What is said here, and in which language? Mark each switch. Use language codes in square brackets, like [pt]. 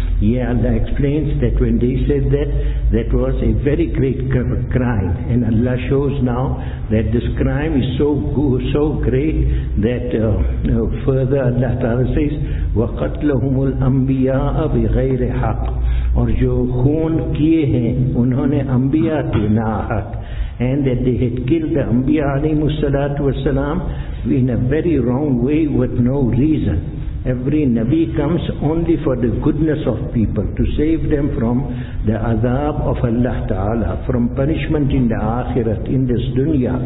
[en] Yeah, Allah explains that when they said that, that was a very great crime. And Allah shows now that this crime is so great that further Allah Ta'ala says, [ar] وَقَتْلَهُمُ الْأَنْبِيَاءَ بِغَيْرِ حَقْ. [ur] اور جو خون کیے ہیں انہوں نے انبیاء کے ناحق. [en] And that they had killed the Anbiya alayhi salatu wasalam in a very wrong way with no reason. Every Nabi comes only for the goodness of people, to save them from the azab of Allah Ta'ala, from punishment in the akhirat, in this dunya.